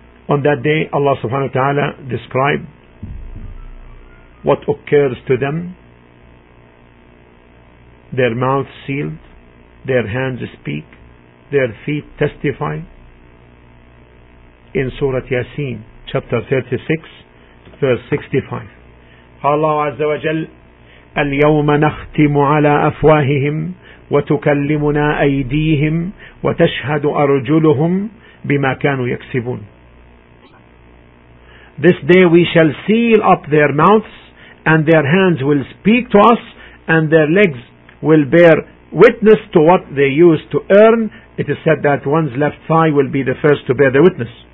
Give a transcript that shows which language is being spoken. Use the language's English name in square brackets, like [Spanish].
[English] On that day, Allah subhanahu wa ta'ala described what occurs to them, their mouths sealed, their hands speak, their feet testify, in Surah Yasin, chapter 36, verse 65. [Arabic] قال الله عز وجل اليوم نختم على أفواههم وتكلمنا أيديهم وتشهد أرجلهم بما كانوا يكسبون. [English] This day we shall seal up their mouths and their hands will speak to us and their legs will bear witness to what they used to earn. It is said that one's left thigh will be the first to bear the witness.